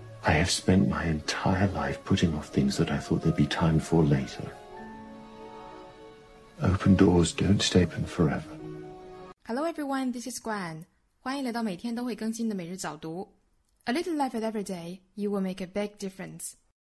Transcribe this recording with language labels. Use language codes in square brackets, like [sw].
[en] I have spent my entire life putting off things that I thought there'd be time for later. Open doors don't stay open forever. Hello everyone, this is Gwen. [zh] 欢迎来到每天都会更新的每日早读。 [en] A little effort every day, you will make a big difference.